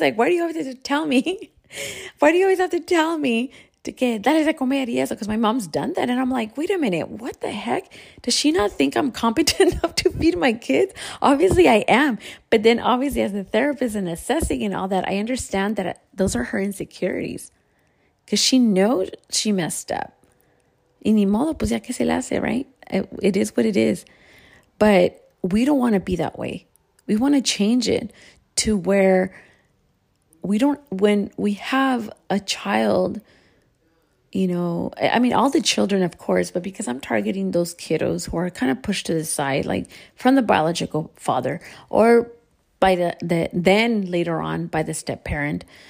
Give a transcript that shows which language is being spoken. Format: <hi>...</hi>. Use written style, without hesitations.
<en>Like, why do you always have to tell me? To</en> <es>que dale de comer y eso?</es> <en>Because my mom's done that. And I'm like, wait a minute, what the heck? Does she not think I'm competent enough to feed my kids? Obviously I am. But then obviously as a therapist and assessing and all that, I understand that those are her insecurities. Because she knows she messed up.</en> <es>Y ni modo, pues ya que se le hace,</es> <en>right? It is what it is. But we don't want to be that way. We want to change it to where we don't, when we have a child, you know, I mean, all the children, of course, but because I'm targeting those kiddos who are kind of pushed to the side, like from the biological father or by then later on by the step parent.</en>